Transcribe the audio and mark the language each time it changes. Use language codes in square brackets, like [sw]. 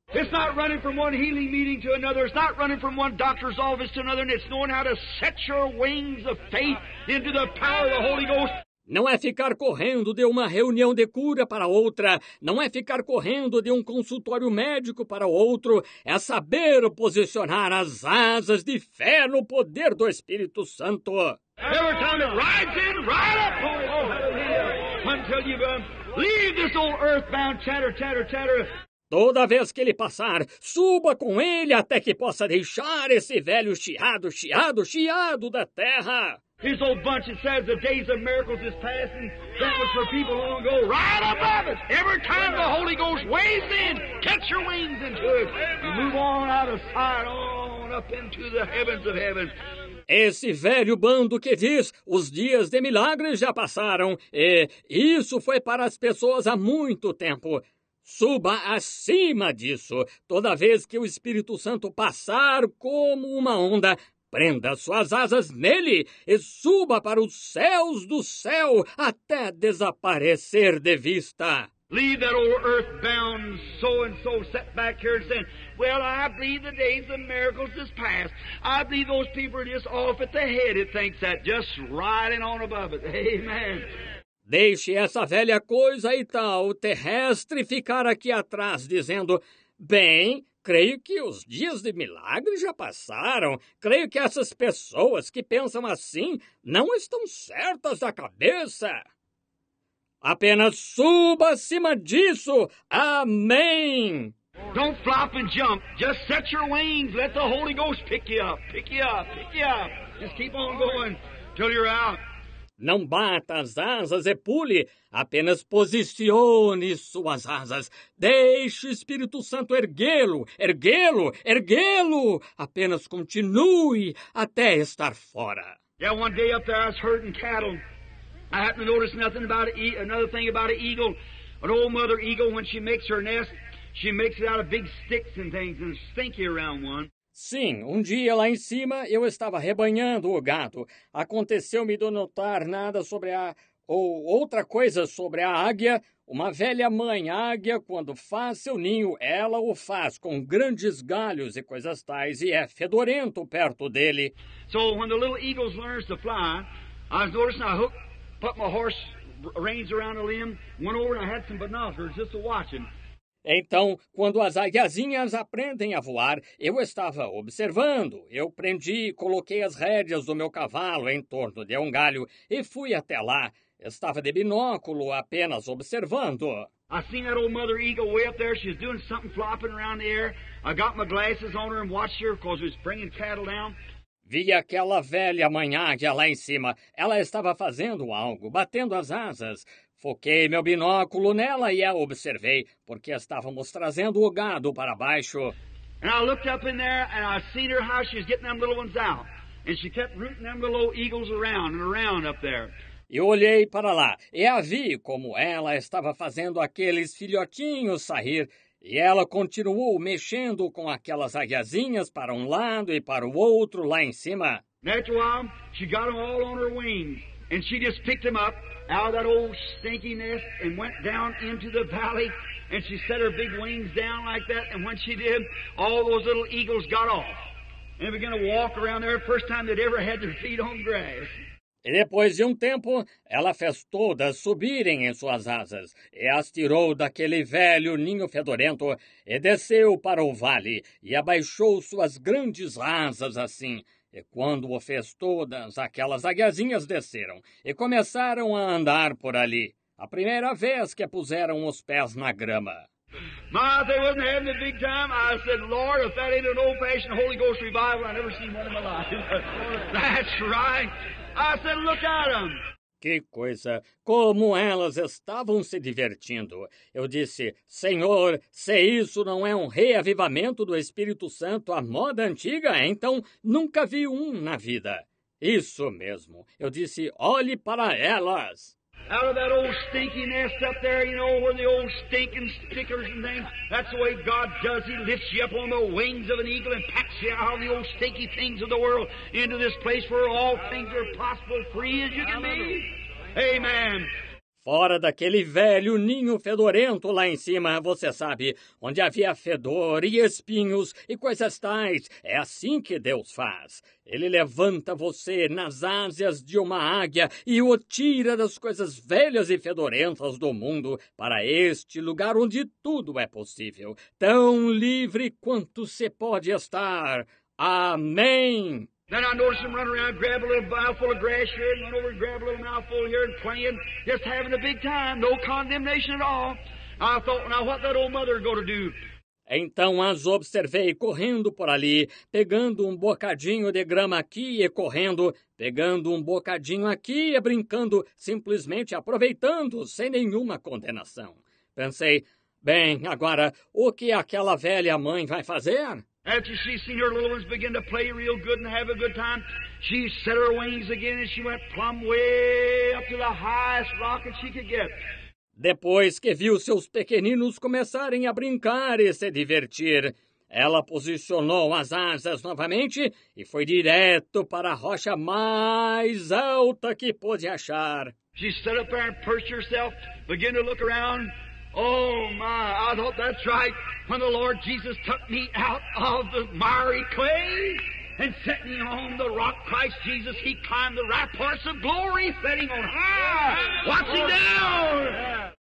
[en] It's not running from one healing meeting to another. It's not running from one doctor's office to another. And it's knowing how to set your wings of faith into the power of the Holy Ghost. [pt] Não é ficar correndo de uma reunião de cura para outra. Não é ficar correndo de consultório médico para outro. É saber posicionar as asas de fé no poder do Espírito Santo. [en] Every time it rides in, ride up. Oh, until you leave this old earthbound chatter, chatter, chatter. [pt] Toda vez que ele passar, suba com ele até que possa deixar esse velho chiado, chiado, chiado da terra. [en] His old bunch that says the days of miracles is passing. That was for people long ago. Right above it. Every time the Holy Ghost waves in, catch your wings into it. You move on out of sight, on up into the heavens of heaven. [pt] Esse velho bando que diz, os dias de milagres já passaram. E isso foi para as pessoas há muito tempo. Suba acima disso. Toda vez que o Espírito Santo passar como uma onda, prenda suas asas nele e suba para os céus do céu até desaparecer de vista. [en] Leave that old earth-bound so-and-so set back here and saying, well, I believe the days of miracles is past. I believe those people are just off at the head. It thinks that just riding on above it. Amen. [pt] Deixe essa velha coisa e tal, terrestre, ficar aqui atrás dizendo, bem, creio que os dias de milagre já passaram. Creio que essas pessoas que pensam assim não estão certas da cabeça. Apenas suba acima disso. Amém. [en] Don't flop and jump. Just set your wings. Let the Holy Ghost pick you up. Pick you up. Pick you up. Just keep on going till you're out. [pt] Não bata as asas e pule. Apenas posicione suas asas. Deixe o Espírito Santo erguê-lo. Erguê-lo. Erguê-lo. Apenas continue até estar fora. [en] Yeah, one day up there I was herding cattle. I happened to notice nothing about another thing about an eagle. An old mother eagle, when she makes her nest, she makes it out of big sticks and things and stinky around one. [pt] Sim, dia lá em cima eu estava rebanhando o gado. Aconteceu-me de notar nada sobre a... ou outra coisa sobre a águia. Uma velha mãe águia, quando faz seu ninho, ela o faz com grandes galhos e coisas tais e é fedorento perto dele. [en] So when the little eagle learns to fly, I was noticing I hooked... put my horse reins around a limb, went over and I had some binoculars just to watch him. [pt] Então, quando as aguiazinhas aprendem a voar, eu estava observando. Eu prendi e coloquei as rédeas do meu cavalo em torno de um galho e fui até lá. Estava de binóculo apenas observando. [en] I seen that old mother eagle way up there. She's doing something flopping around the air. I got my glasses on her and watched her because she was bringing cattle down. [pt] Vi aquela velha mãe águia lá em cima. Ela estava fazendo algo, batendo as asas. Foquei meu binóculo nela e a observei, porque estávamos trazendo o gado para baixo. [en] And I looked up in there and I seen her how she's getting them little ones out. And she kept rooting them little eagles around and around up there. [pt] E olhei para lá e a vi como ela estava fazendo aqueles filhotinhos sair. E ela continuou mexendo com aquelas aguiazinhas para um lado e para o outro lá em cima. [en] Natural, she got them all on her wings, and she just picked them up out of that old stinky nest and went down into the valley, and she set her big wings down like that, and when she did, all those little eagles got off. And they began to walk around there, first time they'd ever had their feet on grass. [pt] E depois de tempo, ela fez todas subirem em suas asas e as tirou daquele velho ninho fedorento e desceu para o vale e abaixou suas grandes asas assim. E quando o fez todas, aquelas aguiazinhas desceram e começaram a andar por ali. A primeira vez que puseram os pés na grama. [en] My, they wasn't having a big time. I said, Lord, if that ain't an old-fashioned Holy Ghost revival, I've never seen one in my life. That's right. I said, look at them. [pt] Que coisa! Como elas estavam se divertindo! Eu disse, Senhor, se isso não é um reavivamento do Espírito Santo à moda antiga, então nunca vi um na vida. Isso mesmo! Eu disse, olhe para elas! [en] Out of that old stinky nest up there, you know, where the old stinking stickers and things, that's the way God does. He lifts you up on the wings of an eagle and packs you out of the old stinky things of the world into this place where all things are possible, free as you can be. Amen. [pt] Fora daquele velho ninho fedorento lá em cima, você sabe, onde havia fedor e espinhos e coisas tais. É assim que Deus faz. Ele levanta você nas asas de uma águia e o tira das coisas velhas e fedorentas do mundo para este lugar onde tudo é possível. Tão livre quanto se pode estar. Amém! [en] Then I noticed him run around, grab a little mouthful of grass here, and run over and grab a little mouthful here, and playing, just having a big time, no condemnation at all. I thought, now what that old mother going to do? [pt] Então as observei correndo por ali, pegando bocadinho de grama aqui e correndo, pegando bocadinho aqui e brincando, simplesmente aproveitando, sem nenhuma condenação. Pensei, bem, agora, o que aquela velha mãe vai fazer? [en] After she seen her little ones begin to play real good and have a good time, she set her wings again and she went plumb way up to the highest rock that she could get. [pt] Depois que viu seus pequeninos começarem a brincar e se divertir, Ela posicionou as asas novamente e foi direto para a rocha mais alta que pôde achar. [en] She stood up there and perched herself, began to look around. Oh my, I thought that's right. When the Lord Jesus took me out of the miry clay and set me on the rock Christ Jesus, he climbed the ramparts of glory, setting on high, watching down.